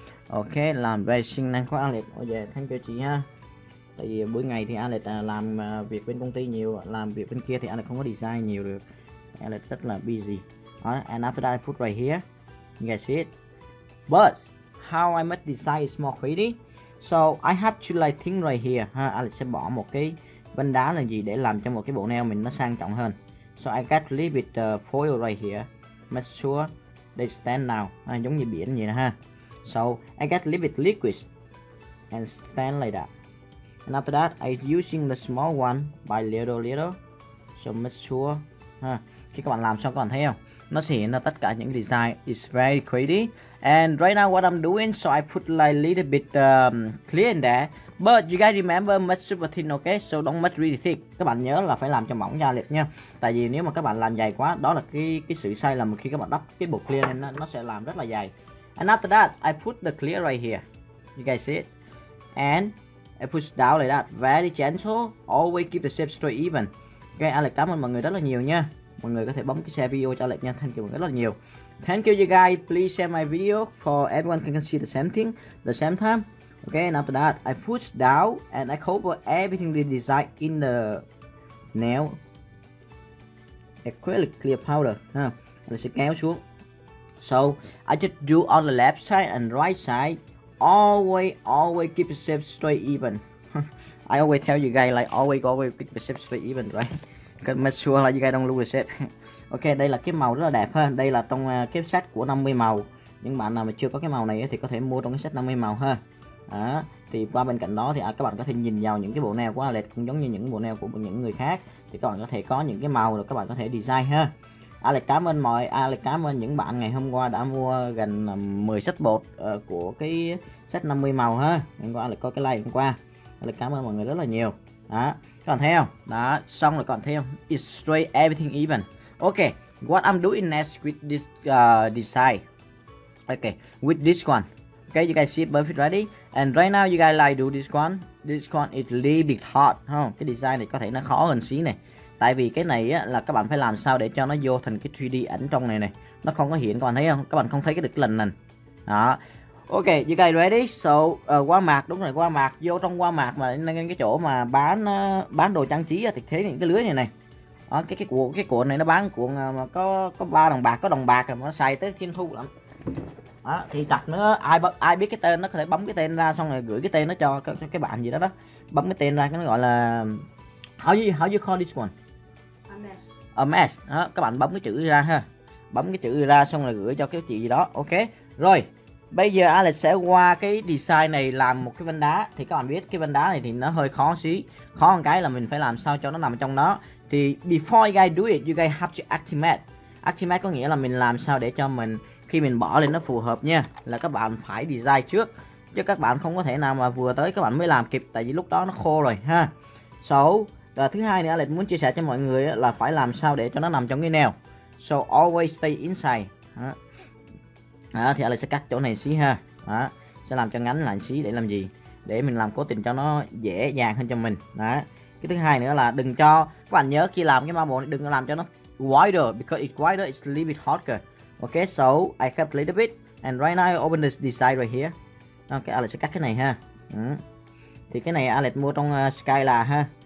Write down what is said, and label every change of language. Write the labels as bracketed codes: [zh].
[vi] Okay, làm vệ sinh năng của Alex. [en] Oh yeah, thank you [vi] chị ha. Tại vì buổi ngày thì Alex làm việc bên công ty nhiều, làm việc bên kia thì Alex không có design nhiều được. Alex rất là busy. [en] And after that I put right here. You guys see it? But how I must design is more pretty. So I have to like think right here ha. [vi] Alex sẽ bỏ một cái vân đá là gì để làm cho một cái bộ nail mình nó sang trọng hơn. [en] So I got leave with the foil right here. Make sure they stand now. [vi] Giống như biển vậy ha. [en] So I got leave it liquid and stand like that. And after that I using the small one by little. So make sure [vi] khi các bạn làm xong các bạn thấy không? Nó sẽ hiện ra tất cả những [en] design is very pretty. And right now what I'm doing, so I put like little bit clear in there. But you guys remember make super thin, okay? So don't make really thick. [vi] Các bạn nhớ là phải làm cho mỏng da liệt nha. Tại vì nếu mà các bạn làm dày quá, đó là cái sự sai lầm khi các bạn đắp cái bột clear lên, nó sẽ làm rất là dày. [en] And after that, I put the clear right here. You guys see it? And I push down like that. Very gentle. Always keep the shape straight even. [vi] Okay, Alex cảm ơn mọi người rất là nhiều nha. Mọi người có thể bấm cái share video cho Alex nha. [en] Thank you [vi] mọi người rất là nhiều. [en] Thank you you guys. Please share my video for everyone can see the same thing, the same time. Okay, and after that, I push down and I cover everything the design in the nail. Acrylic clear powder. [vi] Alex sẽ kéo xuống. [en] So I just do on the left side and right side. Always keep the shape straight even. I always tell you guys like always keep the shape straight even, right? Make sure like you guys don't lose the shape. [vi] Okay, đây là cái màu rất là đẹp ha. Đây là trong cái set của 50 màu. Những bạn nào mà chưa có cái màu này thì có thể mua trong cái set 50 màu ha. Đó. Thì qua bên cạnh đó thì các bạn có thể nhìn vào những cái bộ nail của Alex cũng giống như những bộ nail của những người khác. Thì các bạn có thể có những cái màu rồi các bạn có thể design ha. Alex cảm ơn mọi Alex cảm ơn những bạn ngày hôm qua đã mua gần 10 set bột của cái set 50 màu ha. Hôm qua Alex có cái like hôm qua. Alex cảm ơn mọi người rất là nhiều. Đó, các bạn thấy không? Đó, xong rồi còn thấy không? [en] It's straight everything even. Okay, what I'm doing next with this design. Okay, with this one. Okay, you guys see it perfect ready? And right now you guys like do this one. This one is little bit hard, huh? [vi] Cái design này có thể nó khó hơn xí này. Tại vì cái này á, là các bạn phải làm sao để cho nó vô thành cái 3D ảnh trong này này. Nó không có hiện, các bạn thấy không? Các bạn không thấy cái được lần này. Đó. [en] Ok, you guys ready? [vi] So, qua mạc, đúng rồi, qua mạc. Vô trong qua mạc mà lên cái chỗ mà bán đồ trang trí thì thấy những cái lưới này này. Đó, cái cuộn này nó bán cuộn mà có 3 đồng bạc, có đồng bạc mà nó xài tới thiên thu lắm. Đó, thì chặt nữa, ai biết cái tên nó có thể bấm cái tên ra xong rồi gửi cái tên nó cho cái bạn gì đó đó. Bấm cái tên ra cái nó gọi là... [en] How do you call this one? A mess. [vi] A mess. Các bạn bấm cái chữ ra ha. Bấm cái chữ ra xong rồi gửi cho cái chị gì đó. Ok. Rồi. Bây giờ Alex sẽ qua cái design này làm một cái vân đá. Thì các bạn biết cái vân đá này thì nó hơi khó xí. Khó một cái là mình phải làm sao cho nó nằm trong đó. Thì [en] before you guys do it, you guys have to estimate. [vi] Estimate có nghĩa là mình làm sao để cho mình khi mình bỏ lên nó phù hợp nha. Là các bạn phải design trước. Chứ các bạn không có thể nào mà vừa tới các bạn mới làm kịp. Tại vì lúc đó nó khô rồi ha. So, thứ hai nữa Alex muốn chia sẻ cho mọi người là phải làm sao để cho nó nằm trong cái nail. [en] So always stay inside. [vi] Thì Alex sẽ cắt chỗ này xí ha. Đó. Sẽ làm cho ngắn lại xí để làm gì? Để mình làm cố tình cho nó dễ dàng hơn cho mình. Đó. Cái thứ hai nữa là đừng cho, các bạn nhớ khi làm cái ma bộ này đừng làm cho nó wider. [en] Because it's wider, it's a little bit harder. Ok, so I cut a little bit. And right now I open this design right here. [vi] Ok, Alex sẽ cắt cái này ha. Đó. Thì cái này Alex mua trong Skyla ha.